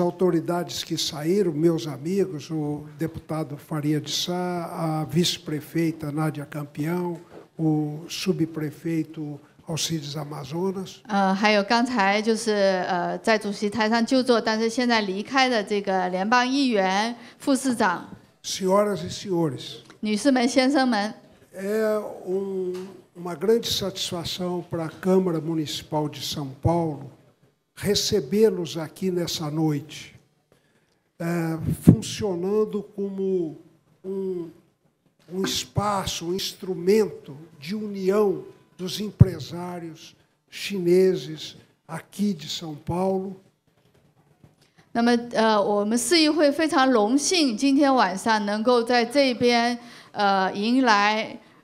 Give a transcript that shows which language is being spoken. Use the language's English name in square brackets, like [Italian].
[Portuguese] autoridades que saíram, meus amigos, o deputado Faria de Sá, a vice-prefeita Nádia Campeão, o subprefeito Alcides Amazonas. [Chinese] 还有刚才就是在主席台上就座，但是现在离开的这个联邦议员、副市长。 [Portuguese] Senhoras e senhores. [Chinese] 女士们、先生们。 [Portuguese] É uma grande satisfação para a Câmara Municipal de São Paulo recebê-los aqui nessa noite, funcionando como um espaço, um instrumento de união dos empresários chineses aqui de São Paulo. [Chinese] 那么，我们市议会非常荣幸今天晚上能够在这边迎来。